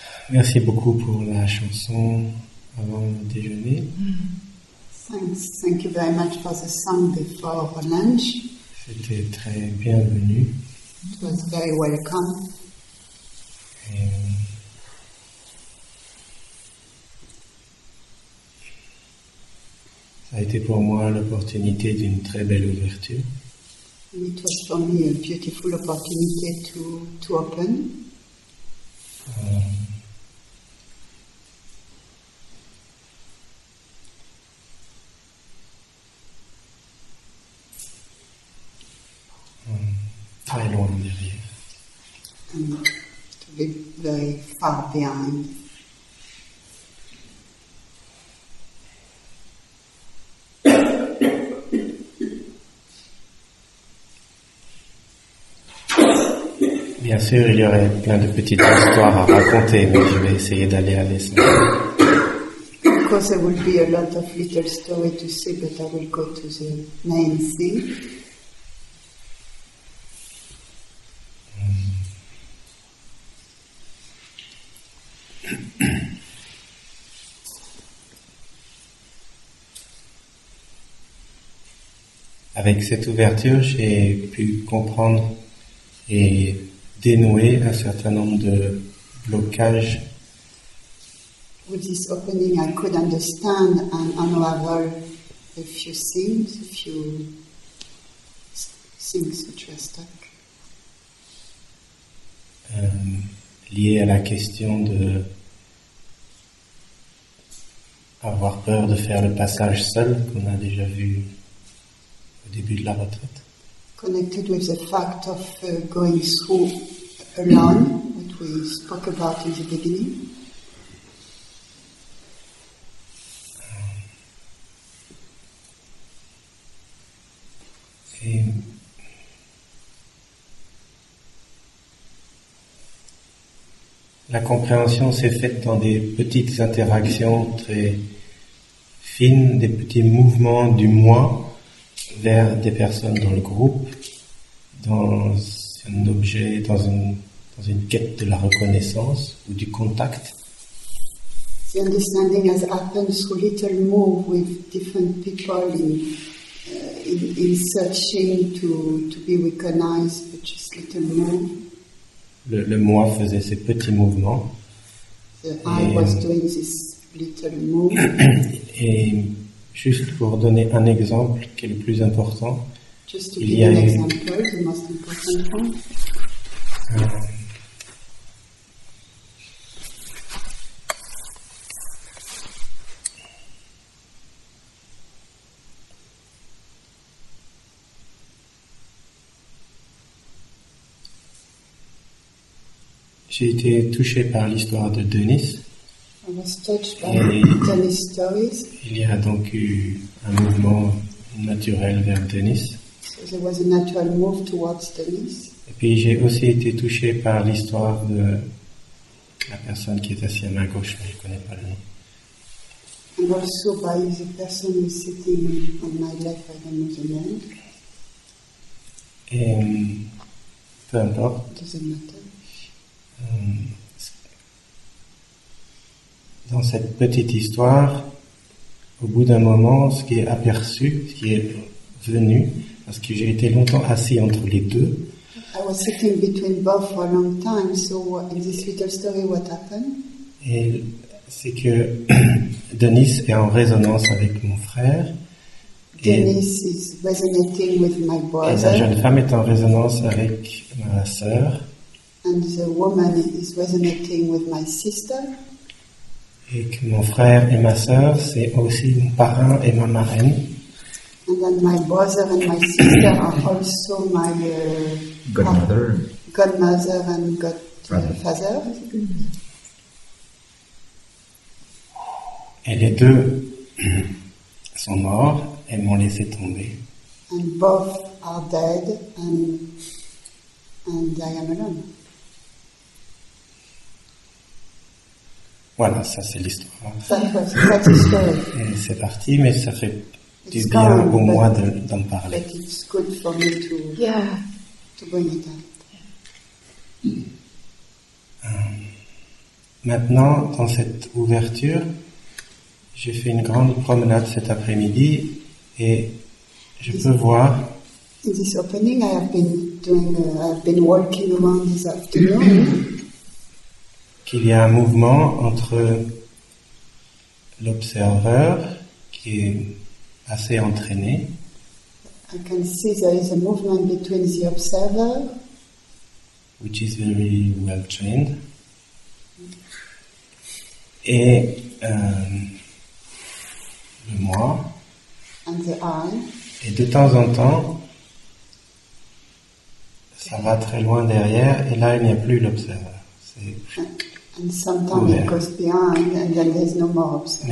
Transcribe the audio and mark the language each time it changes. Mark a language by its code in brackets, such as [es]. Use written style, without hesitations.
[fr] Merci beaucoup pour la chanson avant le déjeuner. [en] Thanks, thank you very much for the song before lunch. [fr] C'était très bienvenu. [en] It was very welcome. [fr] Ça a été pour moi l'opportunité d'une très belle ouverture. [en] It was for me a beautiful opportunity to open. [fr] Très loin derrière. [en] To be very far behind. [fr] Bien sûr, il y aurait plein de petites histoires à raconter, mais je vais essayer d'aller à l'essentiel. [en] Of course, there will be a lot of little stories to say, but I will go to the main thing. [fr] Avec cette ouverture, j'ai pu comprendre et dénouer un certain nombre de blocages. [en] With this opening, I could understand and unravel a few things which were stuck. [fr] Lié à la question de avoir peur de faire le passage seul, qu'on a déjà vu au début de la retraite. [en] Connected with the fact of going through alone, which we spoke about in the beginning. [fr] La compréhension s'est faite dans des petites interactions très fines, des petits mouvements du moi vers des personnes dans le groupe, dans un objet, dans une quête de la reconnaissance ou du contact. [en] The understanding has happened through little move with different people in is searching to be recognized, but just a little more. [fr] Le moi faisait ses petits mouvements. [en] The I was doing this little move. [fr] Et juste pour donner un exemple qui est le plus important. [en] Just to give an example, the most important one. [fr] J'ai été touché par l'histoire de Denis. [en] I was touched by Denis' stories. [fr] Il y a donc eu un mouvement naturel vers Denis. [en] So there was a natural move towards Denis. [fr] Et puis j'ai aussi été touché par l'histoire de la personne qui est assise à ma gauche, mais je ne connais pas le nom. [en] And also by the person who is sitting on my left, I don't know the name. [fr] Et peu importe. [en] It doesn't matter. [fr] Dans cette petite histoire, au bout d'un moment, ce qui est aperçu, ce qui est venu, parce que j'ai été longtemps assis entre les deux. [en] I was sitting between both for a long time, so in this little story, what happened? [fr] Et c'est que Denis est en résonance avec mon frère. [en] Denis is resonating with my brother. [fr] Et la jeune femme est en résonance avec ma sœur. [en] And the woman is resonating with my sister. [fr] Et que mon frère et ma sœur, c'est aussi mon parrain et ma marraine. [en] And then my brother and my sister are also my godmother. Godmother and godfather. [fr] Et les deux sont morts et m'ont laissé tomber. [en] And both are dead and I am alone. [fr] Voilà, ça c'est l'histoire. [en] That's [fr] et c'est parti, mais ça fait du bien au moins d'en parler. [en] But it's good for me to, to bring it up. [fr] Maintenant, dans cette ouverture, j'ai fait une grande promenade cet après-midi et je peux voir. [en] In this opening, I have been doing, I've been walking around this afternoon. [fr] Qu'il y a un mouvement entre l'observeur qui est assez entraîné. [en] I can see there is a movement between the observer, which is very well trained, [fr] et le moi. [en] And the I. [fr] Et de temps en temps, ça va très loin derrière, et là il n'y a plus l'observeur. C'est... [en] And sometimes it goes behind, and then there's no more observer.